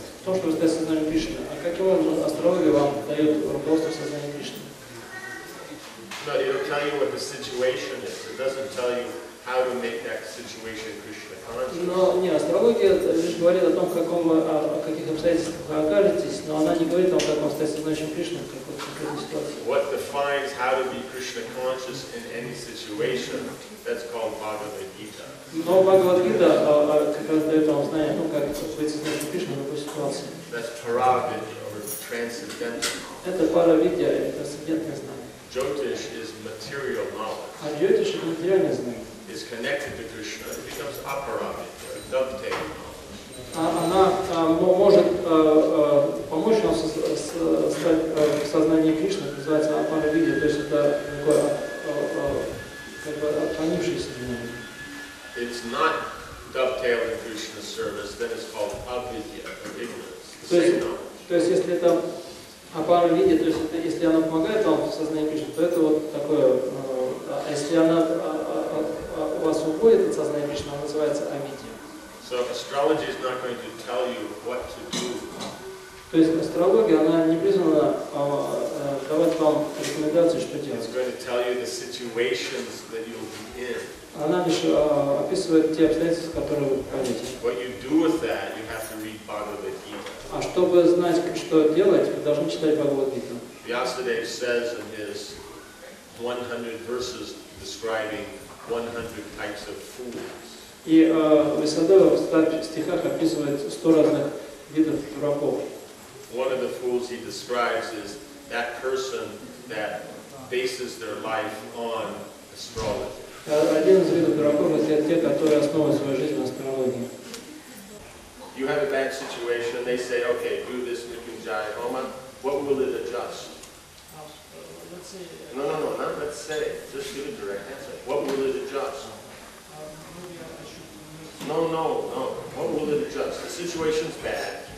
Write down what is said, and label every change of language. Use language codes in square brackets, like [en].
[ru] В том, чтобы стать сознанием Кришны. А каким образом астрология вам дает руководство в сознании Кришны? [en] No, it'll tell you what the situation is. It doesn't tell you how to make that situation Krishna conscious. [ru] Но не, астрология лишь говорит о том, каких обстоятельствах вы окажетесь, но она не говорит о том, как вам стать сознанием Кришны. [en] What defines how to be Krishna conscious in any situation, that's called Bhagavad Gita. [ru] Но Bhagavad Gita как раз дает вам знание, как быть сознанием Кришны в любой ситуации. [en] That's Paravidya or transcendental. [ru] Это Paravidya, это трансцендентное знание. [en] Jyotish is material knowledge. [ru] А Jyotish это материальное знание. [en] It's connected to Krishna, it becomes Aparavidya, dovetailed knowledge. [ru] Она может помочь вам стать в сознании Кришны, называется Апаравидья, то есть это такое отклонившееся знание. [en] It's not dovetailed in Krishna's service, then it's called Avidya, ignorance. [ru] То есть если это Апаравидья, то есть если она помогает вам в сознании Кришны, то это вот такое, а если она у вас уходит от сознания Кришны, она называется Авидья. [en] So astrology is not going to tell you what to do. [ru] То есть астрология, она не призвана давать вам рекомендации, что делать. [en] It's going to tell you the situations that you'll be in. [ru] Она лишь описывает те обстоятельства, в которые вы попадете. [en] What you do with that, you have to read Bhagavad Gita. [ru] А чтобы знать, что делать, вы должны читать Бхагавад-гиту. [en] Vyasadeva says in his 100 verses describing 100 types of fools. [ru] И Висадева в стихах описывает 100 разных видов дураков. [en] One of the fools he describes is that person that bases their life on astrology. [ru] Один из видов дураков — это те, которые основывают свою жизнь на астрологии. [en] You have a bad situation, they say, okay, do this Mrityunjaya Homa, what will it adjust? Let's say. Just give a direct answer. What will it adjust? Maybe I should. What will it adjust? The situation's bad.